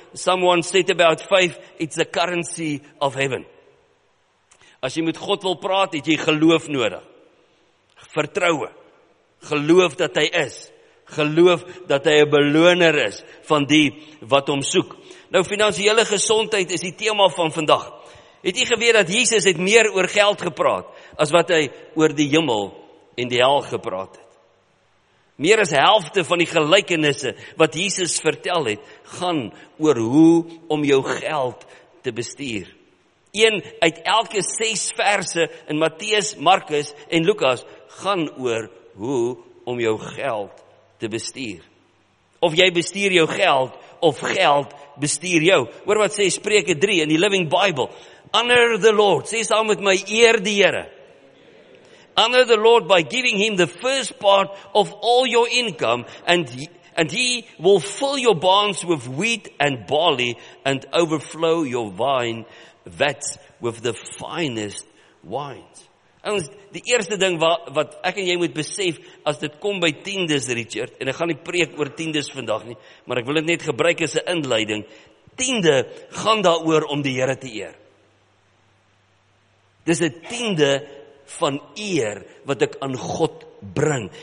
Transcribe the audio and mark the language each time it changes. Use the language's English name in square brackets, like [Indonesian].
[English] Someone said about faith, it's the currency of heaven. [Afrikaans] As jy met God wil praat, het jy geloof nodig. Vertroue, geloof dat hy is, geloof dat hy 'n beloner is van die wat hom soek. Nou, finansiële gesondheid is die tema van vandag. Het jy geweet dat Jesus het meer oor geld gepraat, as wat hy oor die hemel en die hel gepraat het? Meer as helfte van die gelykenisse wat Jesus vertel het, gaan oor hoe om jou geld te bestuur. Een uit elke 6 verse in Matteus, Markus en Lukas gaan oor hoe om jou geld te bestuur. Of jy bestuur jou geld, of geld bestuur jou. Hoor wat sê Spreuke 3 in die Living Bible. Honor the Lord, sê saam met my, eer die Here. [English] Honor the Lord by giving him the first part of all your income, and he will fill your barns with wheat and barley, and overflow your vine vats with the finest wines. [Afrikaans] En die eerste ding wat ek en jy moet besef, as dit kom by tiendes, Richard, en ek gaan nie preek oor tiendes vandag nie, maar ek wil dit net gebruik as 'n inleiding, tiende gaan daar oor om die Here te eer. Dis 'n tiende van eer wat ek aan God bring.